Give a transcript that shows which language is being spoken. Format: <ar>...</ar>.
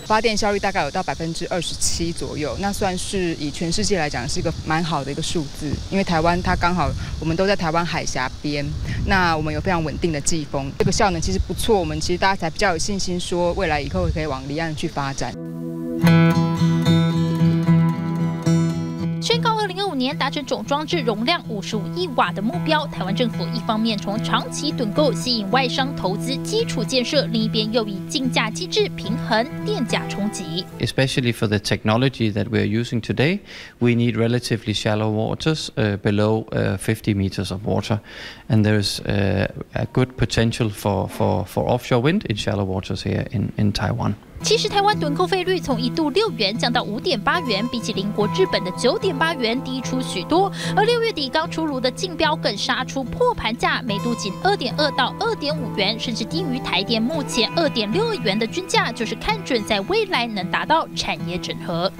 <zh>发电效率大概有到27%左右，那算是以全世界来讲是一个蛮好的一个数字，因为台湾它刚好我们都在台湾海峡边，那我们有非常稳定的季风，这个效能其实不错，我们其实大家才比较有信心说未来以后可以往离岸去发展。宣告2025年达成总装置容量55亿瓦的目标，台湾政府一方面从长期趸购吸引外商投资基础建设，另一边又以竞价机制平衡电价冲击。</zh> <en>Especially for the technology that we are using today, we need relatively shallow waters, below 50 meters of water, and there is a good potential for offshore wind in shallow waters here in Taiwan.</en> <zh>其实台湾吨扣费率从一度六元降到5.8元，比起邻国日本的9.8元低出许多。而六月底刚出炉的竞标更杀出破盘价，每度仅2.2到2.5元，甚至低于台电目前2.6元的均价，就是看准在未来能达到产业整合。</zh>